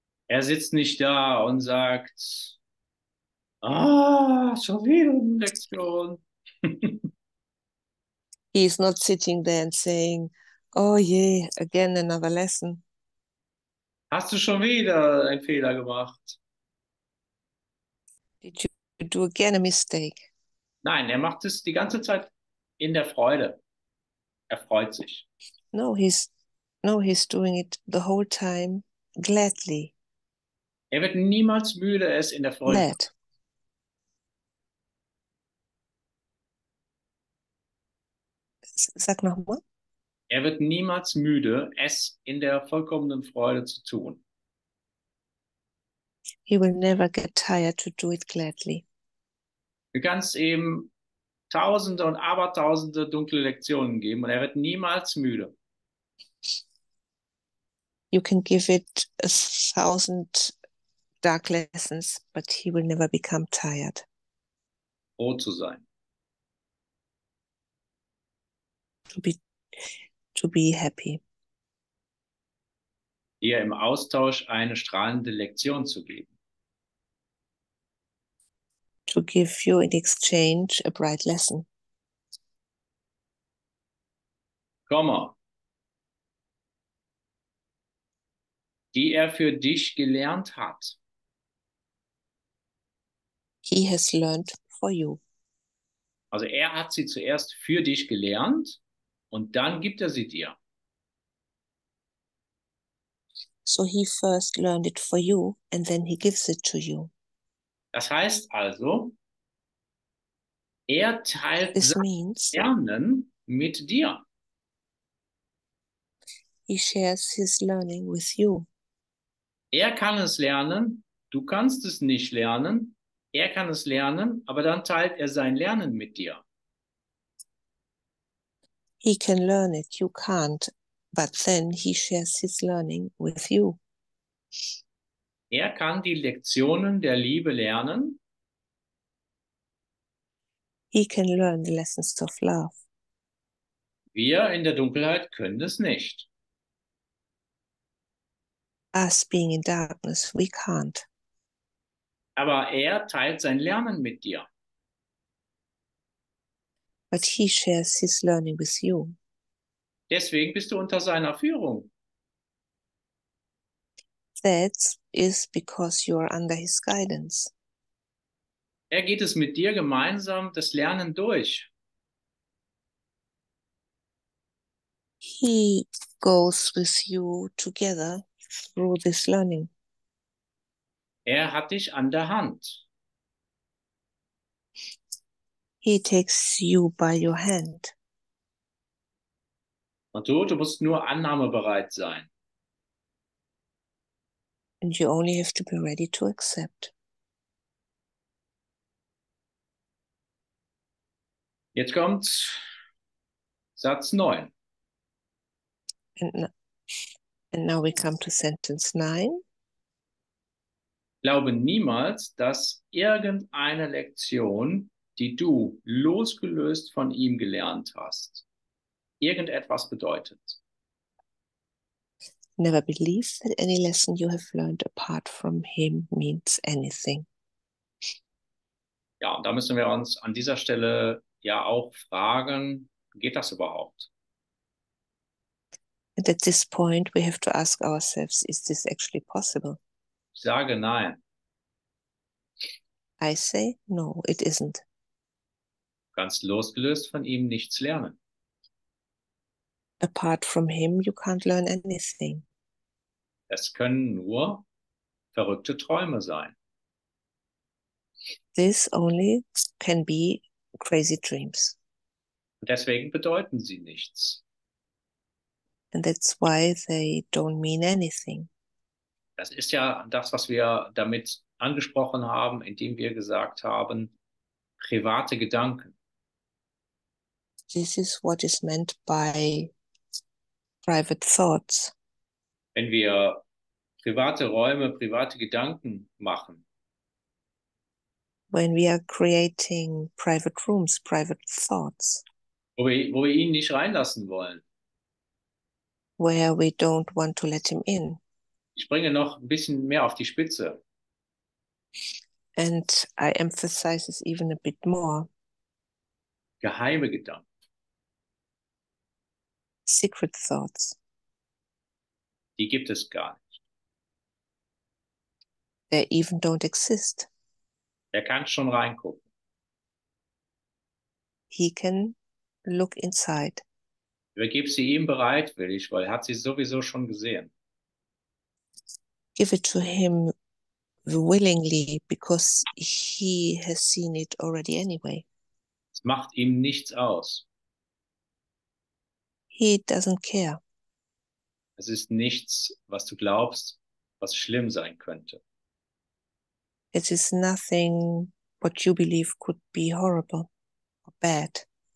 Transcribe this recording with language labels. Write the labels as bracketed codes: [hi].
[de] Er sitzt nicht da und sagt, schon wieder eine Lektion. [en] He is not sitting there and saying, oh yeah, again another lesson. [de] Hast du schon wieder einen Fehler gemacht? [en] Did you do again a mistake? [de] Nein, er macht es die ganze Zeit in der Freude. Er freut sich. [en] No, he's doing it the whole time gladly. [de] Er wird niemals müde, es in der Freude. [en] Glad. [de] Sag nochmal. Er wird niemals müde, es in der vollkommenen Freude zu tun. [en] He will never get tired to do it gladly. [de] Du kannst eben tausende und abertausende dunkle Lektionen geben und er wird niemals müde. [en] You can give it 1000 dark lessons, but he will never become tired. [de] Froh zu sein. [en] To be happy. [de] Hier im Austausch eine strahlende Lektion zu geben. [en] To give you in exchange a bright lesson. [de] Komma. Die er für dich gelernt hat. [en] He has learned for you. [de] Also er hat sie zuerst für dich gelernt und dann gibt er sie dir. [en] So he first learned it for you and then he gives it to you. [de] Das heißt also, er teilt [en] this [de] sein Lernen mit dir. [en] He shares his learning with you. [de] Er kann es lernen, du kannst es nicht lernen. Er kann es lernen, aber dann teilt er sein Lernen mit dir. [en] He can learn it, you can't, but then he shares his learning with you. [de] Er kann die Lektionen der Liebe lernen. [en] He can learn the lessons of love. [de] Wir in der Dunkelheit können es nicht. [en] Us being in darkness, we can't. [de] Aber er teilt sein Lernen mit dir. [en] But he shares his learning with you. [de] Deswegen bist du unter seiner Führung. [en] That is because you are under his guidance. [de] Er geht es mit dir gemeinsam das Lernen durch. [en] He goes with you together through this learning. [de] Er hat dich an der Hand. [en] He takes you by your hand. [de] Und du musst nur annahmebereit sein. [en] And you only have to be ready to accept. [de] Jetzt kommt Satz 9. [en] And now we come to sentence 9. [de] Glaube niemals, dass irgendeine Lektion, die du losgelöst von ihm gelernt hast, irgendetwas bedeutet. [en] Never believe that any lesson you have learned apart from him means anything. [de] Ja, und da müssen wir uns an dieser Stelle ja auch fragen, geht das überhaupt? [en] And at this point we have to ask ourselves, is this actually possible? [de] Ich sage nein. [en] I say no, it isn't. [de] Ganz losgelöst von ihm nichts lernen. [en] Apart from him you can't learn anything. [de] Es können nur verrückte Träume sein. [en] This only can be crazy dreams. [de] Und deswegen bedeuten sie nichts. [en] And that's why they don't mean anything. [de] Das ist ja das, was wir damit angesprochen haben, indem wir gesagt haben, private Gedanken. [en] This is what is meant by private thoughts. [de] Wenn wir private Räume, private Gedanken machen. [en] When we are creating private rooms, private thoughts. [de] Wo wir ihn nicht reinlassen wollen. [en] Where we don't want to let him in. [de] Ich bringe noch ein bisschen mehr auf die Spitze. [en] And I emphasize this even a bit more. [de] Geheime Gedanken. [en] Secret thoughts. [de] Die gibt es gar nicht. [en] They even don't exist. [de] Er kann schon reingucken. [en] He can look inside. [de] Übergib sie ihm bereitwillig, weil er hat sie sowieso schon gesehen. [en] Give it to him willingly, because he has seen it already anyway. [de] Es macht ihm nichts aus. [en] He doesn't care. [de] Es ist nichts, was du glaubst, was schlimm sein könnte. [en] It is nothing what you believe could be horrible or bad.